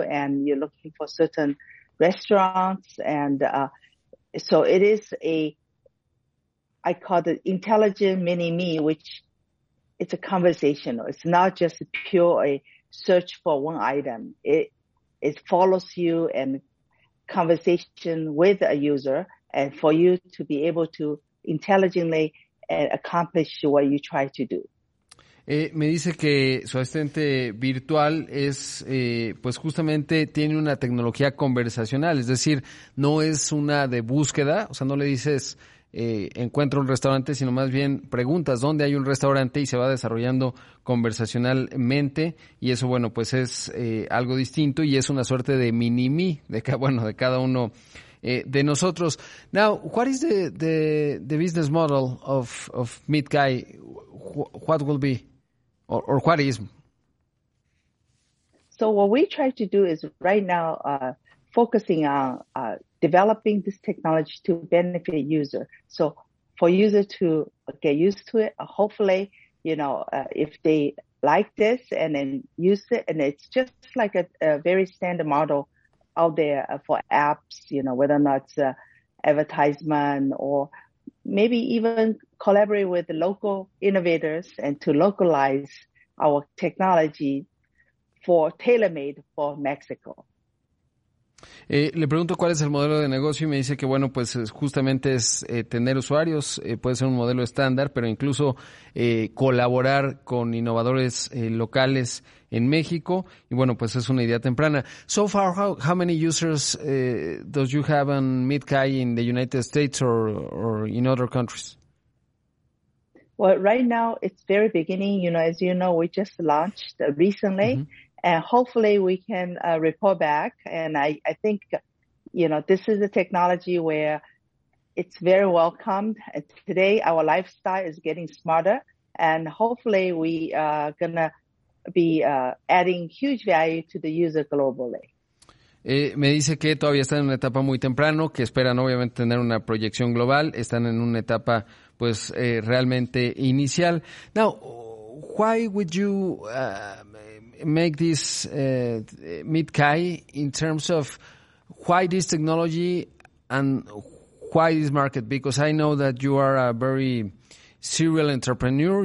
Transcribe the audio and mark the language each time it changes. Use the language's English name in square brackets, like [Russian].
[English] And you're looking for certain restaurants and so it is I call the intelligent mini me, which it's a conversational. It's not just pure a search for one item. It follows you and conversation with a user and for you to be able to intelligently accomplish what you try to do. [Spanish] Me dice que su asistente virtual es, pues justamente tiene una tecnología conversacional, es decir, no es una de búsqueda, o sea, no le dices encuentro un restaurante, sino más bien preguntas dónde hay un restaurante y se va desarrollando conversacionalmente y eso, bueno, pues es algo distinto y es una suerte de mini-me, de cada uno de nosotros. [English] Now, what is the business model of Midkai? What will be? Or what is? So what we try to do is right now focusing on developing this technology to benefit user. So for user to get used to it, hopefully, you know, if they like this and then use it, and it's just like a very standard model out there for apps, you know, whether or not it's advertisement or maybe even collaborate with local innovators and to localize our technology for tailor-made for Mexico. [Spanish] Le pregunto cuál es el modelo de negocio y me dice que, bueno, pues justamente es tener usuarios, puede ser un modelo estándar, pero incluso colaborar con innovadores locales en México y, bueno, pues es una idea temprana. [English] So far, how many users does you have on Midkai in the United States or in other countries? Well, right now, it's very beginning. You know, as you know, we just launched recently. Mm-hmm. And hopefully we can report back. And I think, you know, this is a technology where it's very welcomed. Today, our lifestyle is getting smarter. And hopefully we are going to be adding huge value to the user globally. [Spanish] Me dice que todavía están en una etapa muy temprano, que esperan obviamente tener una proyección global. Están en una etapa, pues, realmente inicial. [English] Now, why would you make this Midkai in terms of why this technology and why this market? Because I know that you are a very serial entrepreneur.